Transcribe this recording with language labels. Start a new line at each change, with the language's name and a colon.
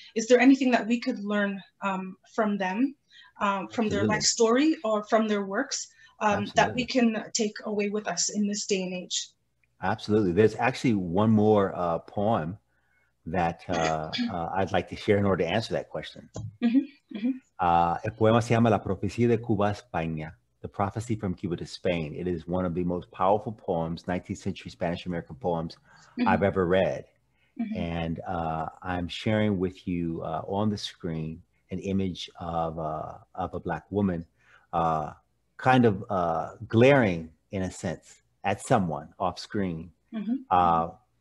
English: Is there anything that we could learn from them, from their life story or from their works that we can take away with us in this day and age? Absolutely. There's actually one more poem that I'd like to share in order to answer that question. Mm-hmm. Mm-hmm.
Spanish: El poema se llama La Profecía de Cuba, España.
English: The Prophecy from Cuba to Spain. It is one of the most powerful poems, 19th century Spanish American poems, mm-hmm. I've ever read. Mm-hmm. And I'm sharing with you on the screen an image of a Black woman kind of glaring, in a sense, at someone off screen, mm-hmm.